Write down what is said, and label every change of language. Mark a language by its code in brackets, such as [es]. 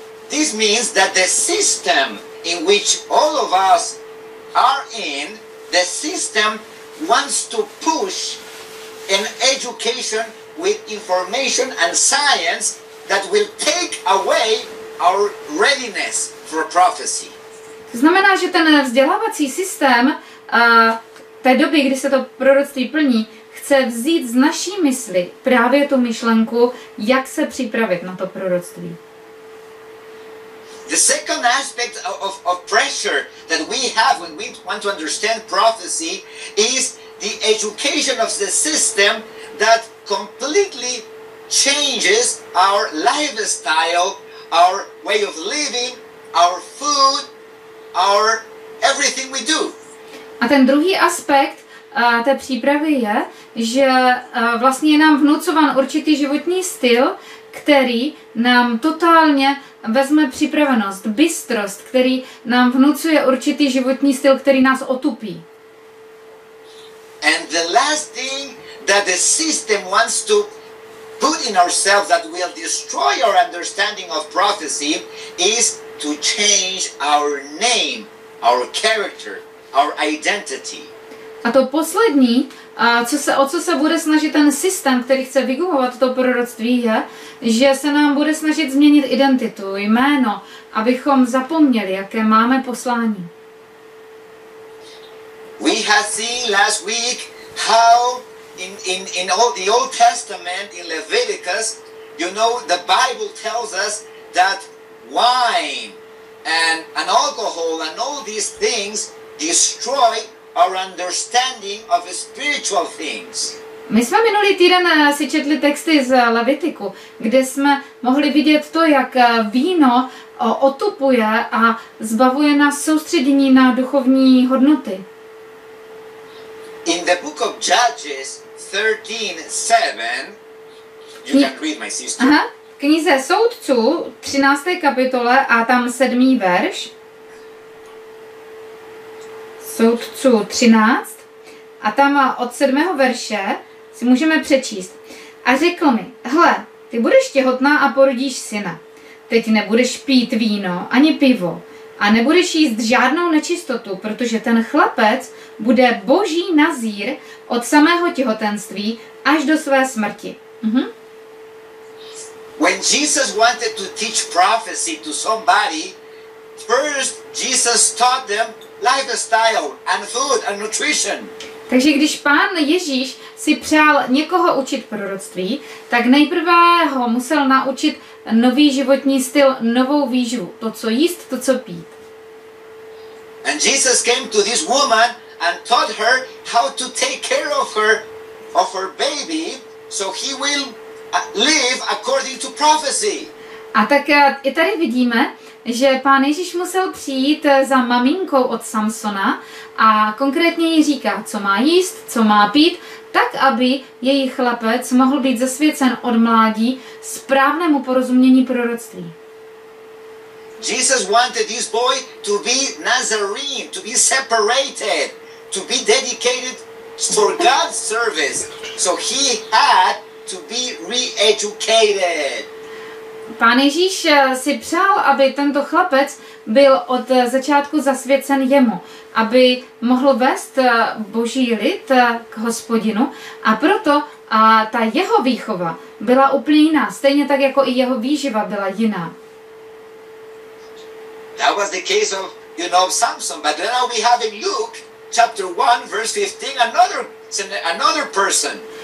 [en] This means that the system in which all of us are in, the system wants to push an education with information and science that will take away our readiness for prophecy. [cs] Znamená, že ten vzdělávací systém té doby, kdy se to proroctví plní, chce vzít z naší mysli právě tu myšlenku, jak se připravit na to proroctví. [en] The second aspect of pressure that we have when we want to understand prophecy is the education of the system that completely changes our lifestyle, our way of living, our food, our everything we do. [cs] A ten druhý aspekt té přípravy je, že vlastně je nám vnucován určitý životní styl, který nám totálně vezme připravenost, bystrost, který nám vnucuje určitý životní styl, který nás otupí. [en] And the last thing that the system wants to put in ourselves that will destroy our understanding of prophecy is to change our name, our character, our identity. [cs] A to poslední, co se bude snažit ten systém, který chce vygumovat to proroctví, je, že se nám bude snažit změnit identitu, jméno, abychom zapomněli, jaké máme poslání. [en] We have seen last week how in all the Old Testament in Leviticus, you know, the Bible tells us that wine and alcohol and all these things destroy our understanding of spiritual things. [cs] My jsme minulý týden si četli texty z Levitiku, kde jsme mohli vidět to, jak víno otupuje a zbavuje nás soustředění na duchovní hodnoty. [en] In the book of Judges 13:7, you can read my sister. [cs] Aha, knize soudců, 13. kapitole a tam 7. verš. Soudců 13 a tam od 7. verše si můžeme přečíst. A řekl mi, hle, ty budeš těhotná a porodíš syna. Teď nebudeš pít víno ani pivo, a nebudeš jíst žádnou nečistotu, protože ten chlapec bude boží nazír od samého těhotenství až do své smrti. Mhm. [en] When Jesus wanted to teach prophecy to somebody, first Jesus taught them lifestyle and food and nutrition. [cs] Takže když Pán Ježíš si přál někoho učit proroctví, tak nejprve ho musel naučit nový životní styl, novou výživu, to co jíst, to co pít. [en] And Jesus came to this woman and taught her how to take care of her baby, so he will live according to prophecy. [cs] A tak i tady vidíme, že Pán Ježíš musel přijít za maminkou od Samsona a konkrétně jí říká, co má jíst, co má pít, tak aby její chlapec mohl být zasvěcen od mládí správnému porozumění proroctví. [en] Jesus wanted this boy to be Nazarene, to be separated, to be dedicated for God's service. So he had to be re-educated. [cs] Pán Ježíš si přál, aby tento chlapec byl od začátku zasvěcen jemu, aby mohl vést boží lid k Hospodinu, a proto ta jeho výchova byla úplně jiná, stejně tak jako i jeho výživa byla jiná. [en] That was the case of, you know, Samson, but then now we have in Luke chapter 1 verse 15 another person.